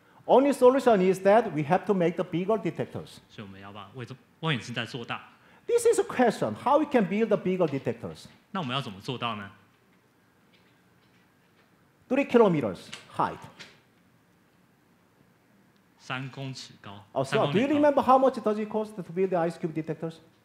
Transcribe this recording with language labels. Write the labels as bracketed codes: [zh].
[en] Only solution is that we have to make the bigger detectors. [zh] 所以我们要把望远镜再做大。 [en] This is a question: How we can build the bigger detectors? [zh] 那我们要怎么做到呢 [en] ？3 kilometers height. [zh] 三公尺高。 [en] Oh, so do you remember how much does it cost to build the ice cube detectors?